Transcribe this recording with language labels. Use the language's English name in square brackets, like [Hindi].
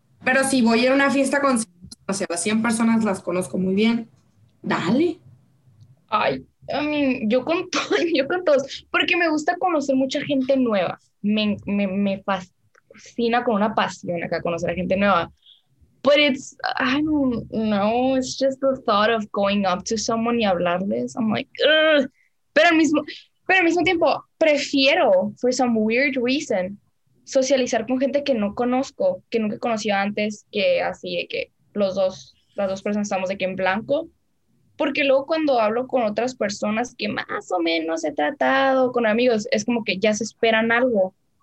[Spanish] Pero si voy a una fiesta con, o sea, las 100 personas las conozco muy bien, dale. Ay, [English] I mean, [Spanish] yo con todos, porque me gusta conocer mucha gente nueva. Me fascina con una pasión acá conocer a gente nueva. [English] But it's, I don't know, it's just the thought of going up to someone [Spanish] y hablarles. [English] I'm like, [Spanish] pero al mismo tiempo, prefiero, [English] for some weird reason, [Spanish] socializar con gente que no conozco, que nunca he conocido antes, que así de que las dos personas estamos de que en blanco. Porque luego cuando hablo con otras personas que más o menos he tratado con amigos, es como que ya se esperan algo.